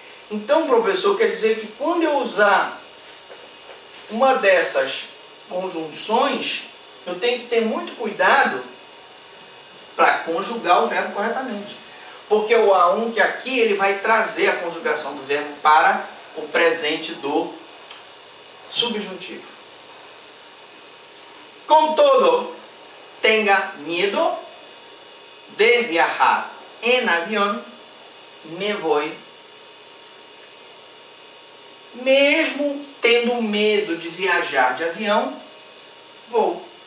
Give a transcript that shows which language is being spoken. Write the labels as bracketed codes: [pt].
[pt] Então, professor, quer dizer que quando eu usar uma dessas conjunções, eu tenho que ter muito cuidado para conjugar o verbo corretamente. Porque o aunque aqui, ele vai trazer a conjugação do verbo para o presente do subjuntivo. [es] Contudo, tenga miedo de viajar en avión, me voy. [pt] Mesmo tendo medo de viajar de avião, vou.